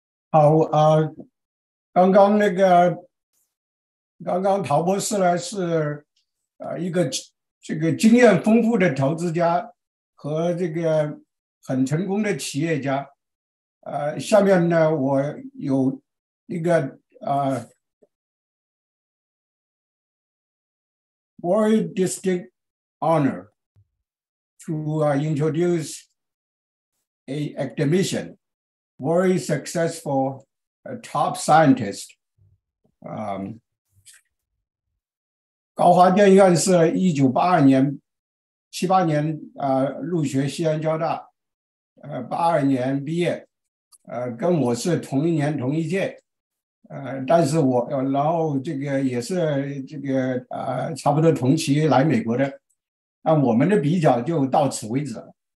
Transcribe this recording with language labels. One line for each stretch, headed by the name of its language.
Chinese: 好啊，刚刚那个，刚刚陶博士呢是一个这个经验丰富的投资家和这个很成功的企业家。下面呢我有一个
English: very distinct honor to introduce a academician very successful. A top scientist，
Chinese: 高华健院士1982年、78年入学西安交大，82年毕业，跟我是同一年同一届，但是我然后这个也是这个差不多同期来美国的，那我们的比较就到此为止了。